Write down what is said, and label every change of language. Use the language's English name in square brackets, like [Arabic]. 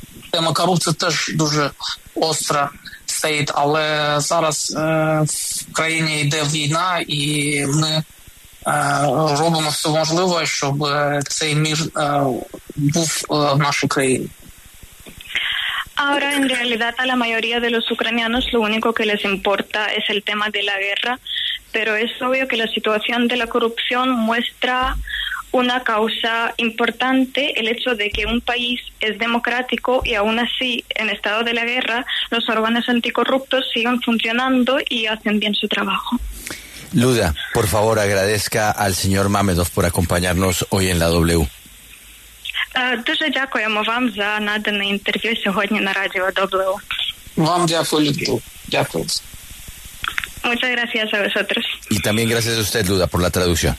[Ukrainian] Тема корупції теж дуже остро стоїть, але зараз в країні йде війна, і ми робимо все можливе, щоб цей мір був в нашій країні. [Spanish] Ahora, en realidad, a la mayoría de los ucranianos lo único que les importa es el tema de la guerra, pero es obvio que la situación de la corrupción muestra una causa importante, el hecho de que un país es democrático y aún así, en estado de la guerra, los órganos anticorruptos siguen funcionando y hacen bien su trabajo. Luda, por favor, agradezca al señor Mamedov por acompañarnos hoy en la W. [Ukrainian] Дуже дякуємо вам за надане інтерв'ю сьогодні на радіо W. Вам дякую, Люду. Дякую. [Spanish] Muchas gracias a vosotros. Y también gracias a usted, Luda, por la traducción.